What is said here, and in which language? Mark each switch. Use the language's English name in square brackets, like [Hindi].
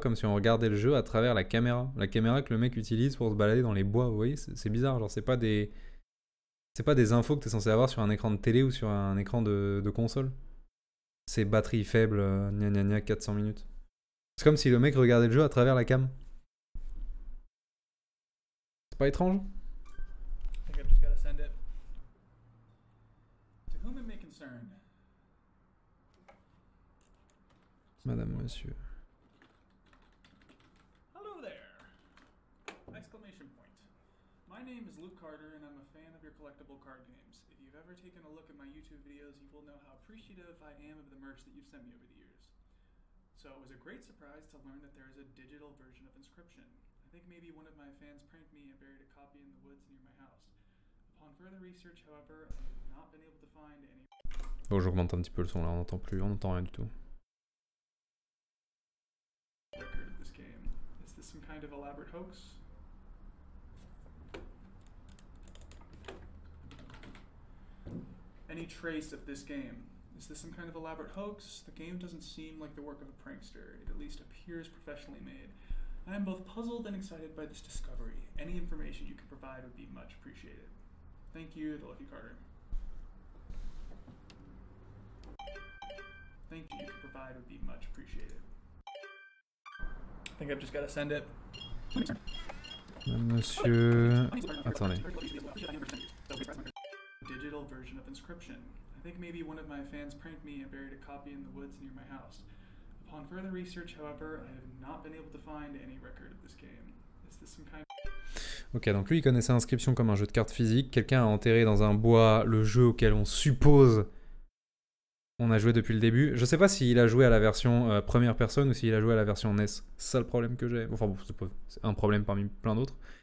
[French] Comme si on regardait le jeu à travers la caméra. La caméra que le mec utilise pour se balader dans les bois, vous voyez? C'est bizarre, genre c'est pas des infos que t'es censé avoir sur un écran de télé ou sur un écran de console. C'est batterie faible, gna gna gna, 400 minutes. C'est comme si le mec regardait le jeu à travers la cam. C'est pas étrange? [English] I think I've just gotta send it. To whom it may concern? [French] Madame, monsieur. [English] Hello there! Exclamation point. My name is Luke Carter and I'm a fan of your collectible card games. If you've ever taken a look at my YouTube videos, you will know how appreciative I am of the merch that you've sent me over the years. So it was a great surprise to learn that there is a digital version of Inscription. I think maybe one of my fans pranked me and buried a copy in the woods near my house. Upon further research, however, I've not been able to find any... [French] Bon, j'augmente un petit peu le son là, on n'entend plus, on n'entend rien du tout. [English] ...record of this game. Is this some kind of elaborate hoax? Any trace of this game? Is this some kind of elaborate hoax? The game doesn't seem like the work of a prankster. It at least appears professionally made. I am both puzzled and excited by this discovery. Any information you can provide would be much appreciated. Thank you, the Lucky Carter. Thank you, you can provide would be much appreciated. I think I've just got to send it. [French] Monsieur... Attendez. [English] Digital version of Inscription. I think maybe one of my fans pranked me and buried a copy in the woods near my house. Upon further research, however, I have not been able to find any record of this game. Is this some kind of... [French] Ok, donc lui, il connaissait Inscription comme un jeu de cartes physique. Quelqu'un a enterré dans un bois le jeu auquel on suppose on a joué depuis le début. Je sais pas s'il a joué à la version première personne ou s'il a joué à la version NES. C'est ça le problème que j'ai. Enfin, bon, c'est un problème parmi plein d'autres.